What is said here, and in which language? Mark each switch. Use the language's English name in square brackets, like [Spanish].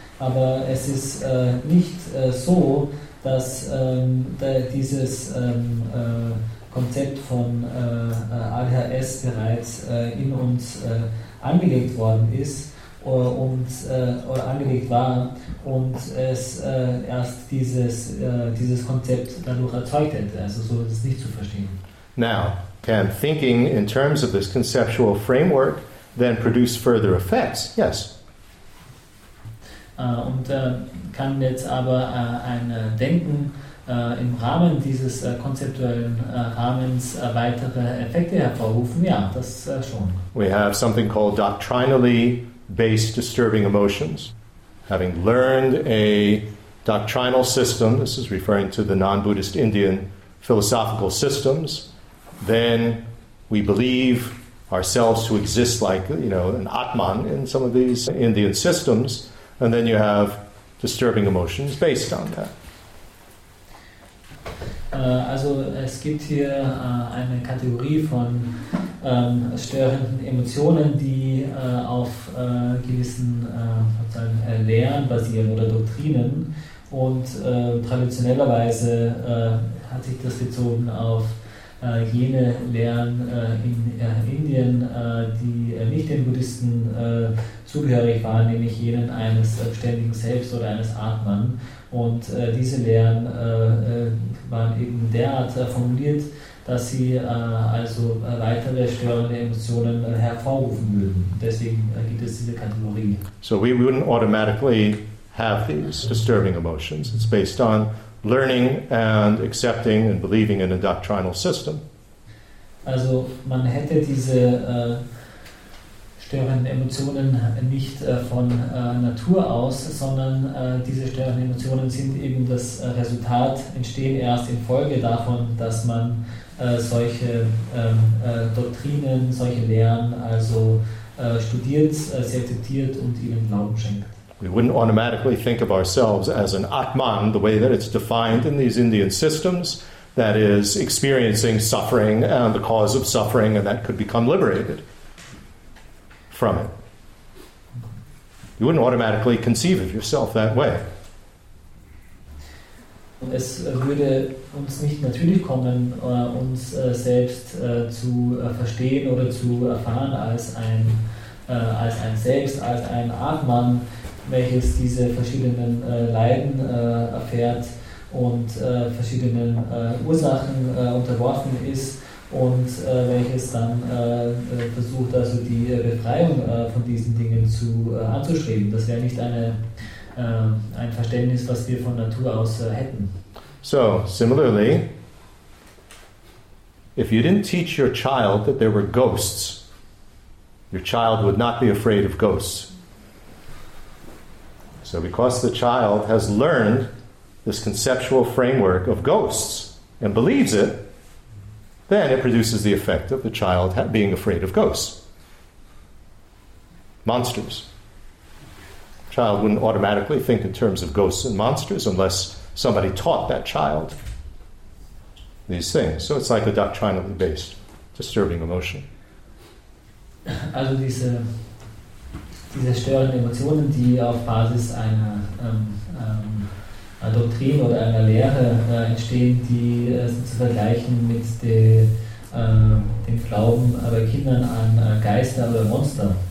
[German] Aber es ist nicht so, dass dieses Konzept von ADHS bereits in uns angelegt worden ist oder angelegt war und es erst dieses Konzept dadurch erzeugt hätte. Also so ist es nicht zu verstehen. [English] Now, can thinking in terms of this conceptual framework then produce further effects? Yes. [German] Kann jetzt aber ein Denken im Rahmen dieses konzeptuellen Rahmens weitere Effekte hervorrufen? Ja, das schon. [English] We have something called doctrinally based disturbing emotions. Having learned a doctrinal system, this is referring to the non-Buddhist Indian philosophical systems, then we believe ourselves to exist like, you know, an Atman in some of these Indian systems, and then you have disturbing emotions based on that. [German] Also es gibt hier eine Kategorie von störenden Emotionen, die auf gewissen Lehren basieren oder Doktrinen. Und traditionellerweise hat sich das bezogen auf jene Lehren in Indien, die nicht den Buddhisten zugehörig waren, nämlich jenen eines ständigen Selbst oder eines Atman. Und diese Lehren waren eben derart formuliert, dass sie also weitere störende Emotionen hervorrufen würden. Deswegen gibt es diese Kategorie. [English] So we wouldn't automatically have these disturbing emotions. It's based on learning and accepting and believing in a doctrinal system. [German] Also man hätte diese störenden Emotionen nicht von Natur aus, sondern diese störenden Emotionen sind eben das Resultat, entstehen erst infolge davon, dass man solche Doktrinen, solche Lehren also studiert, sie akzeptiert und ihnen Glauben schenkt. [English] We wouldn't automatically think of ourselves as an Atman, the way that it's defined in these Indian systems, that is experiencing suffering and the cause of suffering, and that could become liberated from it. You wouldn't automatically conceive of yourself that way. [German] Und es würde uns nicht natürlich kommen, uns selbst zu verstehen oder zu erfahren als ein Selbst, als ein Atman, welches diese verschiedenen Leiden erfährt und verschiedenen Ursachen unterworfen ist und welches dann versucht, also die Befreiung von diesen Dingen zu anzustreben. Das wäre nicht ein Verständnis, was wir von Natur aus hätten. [English] So, similarly, if you didn't teach your child that there were ghosts, your child would not be afraid of ghosts. So because the child has learned this conceptual framework of ghosts and believes it, then it produces the effect of the child being afraid of ghosts. Monsters. The child wouldn't automatically think in terms of ghosts and monsters unless somebody taught that child these things. So it's like a doctrinally based, disturbing emotion. [German] Also diese störenden Emotionen, die auf Basis einer Doktrin oder einer Lehre entstehen, die zu vergleichen mit dem Glauben bei Kindern an Geister oder Monster.